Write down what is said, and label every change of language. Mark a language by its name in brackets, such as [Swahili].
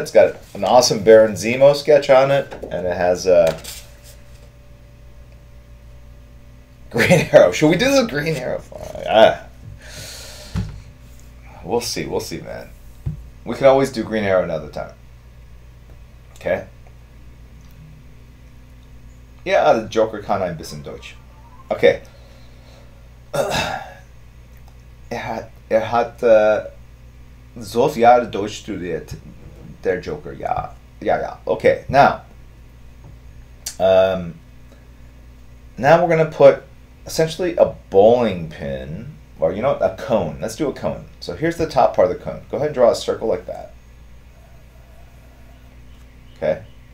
[English] It's got an awesome Baron Zemo sketch on it, and it has a Green Arrow. Should we do the Green Arrow? We'll see, man. We can always do Green Arrow another time. Okay? [German] Ja, der Joker kann ein bisschen Deutsch. Okay. Er hat so viel Deutsch studiert, der Joker, ja. [English] Ja. Okay, now. Now we're going to put essentially a bowling pin, or you know what, a cone. Let's do a cone. So here's the top part of the cone. Go ahead and draw a circle like that. Okay.